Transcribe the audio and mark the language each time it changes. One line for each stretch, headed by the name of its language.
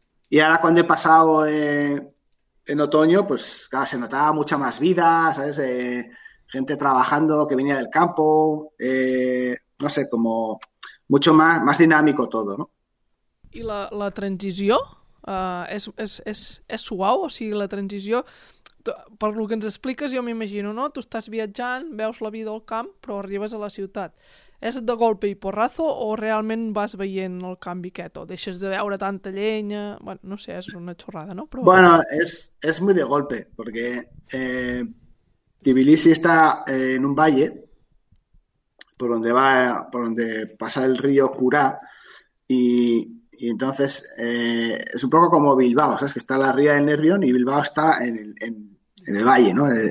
Spanish: Y ahora cuando he pasado en otoño, pues claro, se notaba mucha más vida, ¿sabes? Gente trabajando que venía del campo, no sé, como mucho más dinámico todo, ¿no?
Catalan: I la transició és suau? O sigui, la transició, per el que ens expliques, jo m'imagino, no? Tu estàs viatjant, veus la vida al camp, però arribes a la ciutat. És
Spanish: de golpe y porrazo
Catalan: o realment vas veient el canvi aquest? O deixes de veure tanta llenya? Bueno, no sé, és una xorrada, no? Però...
Spanish: Bueno, es muy de golpe, porque Tbilisi está en un valle por donde pasa el río Kura y entonces es un poco como Bilbao, ¿sabes? Que está la ría del Nervión y Bilbao está en el valle, ¿no?